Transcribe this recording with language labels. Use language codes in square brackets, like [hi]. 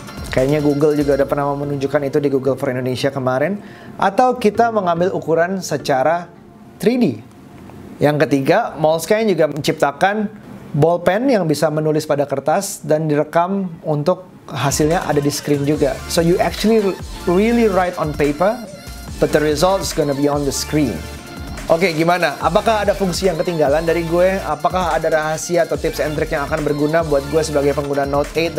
[id] Kayaknya Google juga udah pernah menunjukkan itu di Google for Indonesia kemarin. Atau kita mengambil ukuran secara 3D. Yang ketiga, Moleskine juga menciptakan ballpen yang bisa menulis pada kertas dan direkam untuk hasilnya ada di screen juga. [en] So you actually really write on paper, but the result is gonna be on the screen. [id] Oke, gimana? Apakah ada fungsi yang ketinggalan dari gue? Apakah ada rahasia atau [en] tips and trick [id] yang akan berguna buat gue sebagai pengguna Note 8?